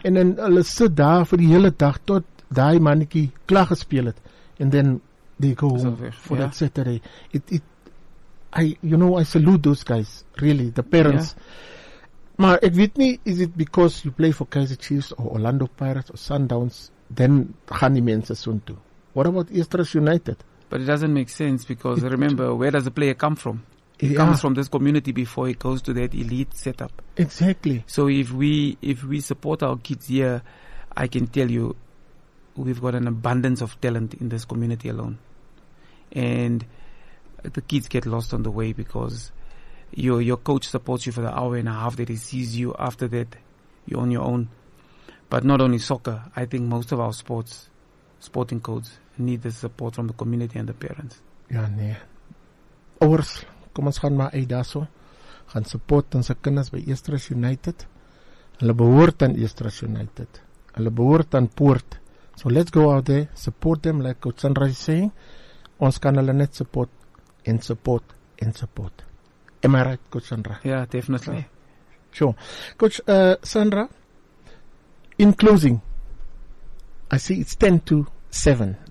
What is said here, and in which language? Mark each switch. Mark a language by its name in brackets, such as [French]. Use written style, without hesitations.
[Afrikaans] En dan hulle sit daar vir die hele dag tot daai mannetjie klaar gespeel het. [English] And then they go home for that Saturday. I salute those guys, really, the parents. Yeah. [Afrikaans] Maar ek weet nie, [English] is it because you play for Kaizer Chiefs or Orlando Pirates or Sundowns? Then Hani Mensa soon too. What about Eerste United? But it doesn't make sense because remember, where does the player come from? He comes from this community before he goes to that elite setup. Exactly. So if we support our kids here, I can tell you we've got an abundance of talent in this community alone. And the kids get lost on the way because your coach supports you for the hour and a half that he sees you. After that, you're on your own. But not only soccer, I think most of our sporting codes need the support from the community and the parents. [Afrikaans] Ja, nee. Ouers, kom ons gaan maar uit daarso. Gaan support ons kinders by Eerste United. Hulle behoort aan Eerste United. Hulle behoort aan Poort. [English] So let's go out there, support them like Coach Sandra is saying. [Afrikaans] Ons kan hulle net [English] support and support and support. Am I right, Coach Sandra? Yeah, definitely. Sure. Coach Sandra, in closing, I see it's 10-7.